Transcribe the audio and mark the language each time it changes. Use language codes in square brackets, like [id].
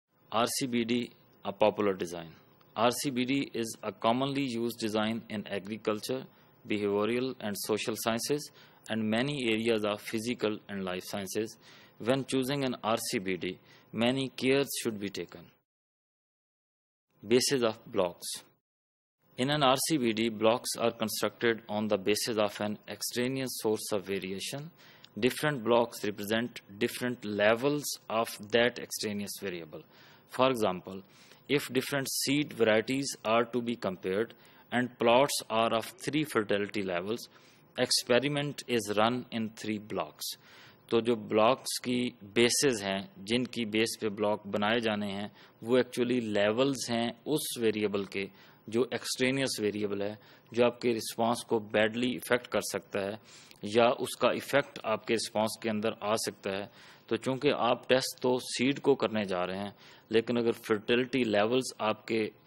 [en] R C B D a popular design. R C B D is a commonly used design in agriculture, behavioural and social sciences and many areas of physical and life sciences. When choosing an R C B D, many cares should be taken. Bases of blocks. In an RCBD, blocks are constructed on the basis of an extraneous source of variation. Different blocks represent different levels of that extraneous variable. For example, if different seed varieties are to be compared and plots are of three fertility levels, experiment is run in three blocks. [ur] تو جو blocks کی bases ہیں، جن کی بیس پہ block بنائے جانے ہیں، وہ ایکچولی لیولز ہیں اس ویریبل کے، جو ایکسٹرینیس ویریبل ہے، جو آپ کے رسپانس کو بیڈلی افیکٹ کر سکتا ہے یا اس کا افیکٹ آپ کے رسپانس کے اندر آ سکتا ہے۔ تو چونکہ آپ ٹیسٹ تو سیڈ کو کرنے جا رہے ہیں، لیکن اگر فرٹیلٹی لیولز آپ کے